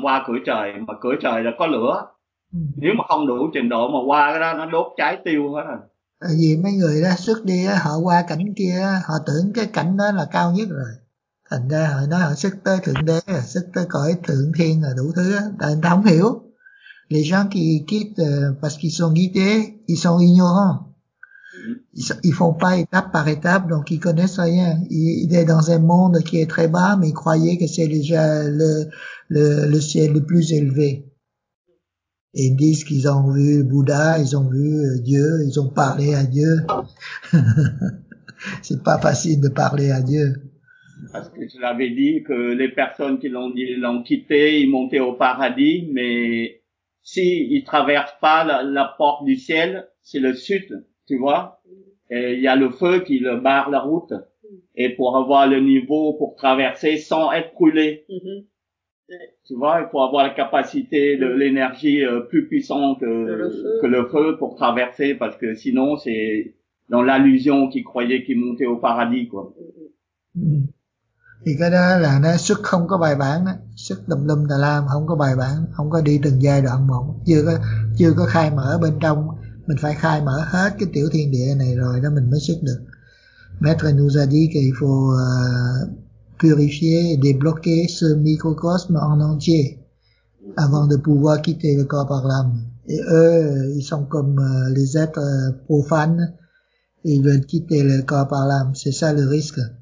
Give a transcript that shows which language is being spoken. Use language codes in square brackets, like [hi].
[vi] Qua cửa trời, mà cửa trời là có lửa. Nếu mà không đủ trình độ mà qua cái đó nó đốt cháy tiêu hết rồi. Tại vì mấy người đó xuất đi, họ qua cảnh kia, họ tưởng cái cảnh đó là cao nhất rồi. Thành ra họ nói họ xuất tới thượng đế, xuất tới cõi thượng thiên là đủ thứ. Tại người ta không hiểu. [fr] Les gens qui quittent parce qu'ils sont guidés, ils sont ignorants. Ils font pas étape par étape, donc ils connaissent rien. Ils sont dans un monde qui est très bas, mais ils croyaient que c'est déjà le ciel le plus élevé. Et ils disent qu'ils ont vu Bouddha, ils ont vu Dieu, ils ont parlé à Dieu. C'est pas facile de parler à Dieu. Parce que je l'avais dit que les personnes qui l'ont quitté, ils montaient au paradis, mais s'ils ne traversent pas la porte du ciel, c'est le sud, tu vois. Et il y a le feu qui le barre la route. Et pour avoir le niveau pour traverser sans être brûlé. Tu vois, il faut avoir la capacité de l'énergie plus puissante que le feu pour traverser, parce que sinon c'est dans l'allusion qu'ils croyaient qu'ils montaient au paradis, quoi. [vi] Thì cái đó là nó xuất không có bài bản, xuất lùm lùm tà lam, không có bài bản, không có đi từng giai đoạn một, chưa có khai mở bên trong. Mình phải khai mở hết cái tiểu thiên địa này rồi đó mình mới xuất được. [fr] Maître nous a dit qu'il faut purifier et débloquer ce microcosme en entier avant de pouvoir quitter le corps par l'âme. Et eux, ils sont comme les êtres profanes, ils veulent quitter le corps par l'âme, c'est ça le risque.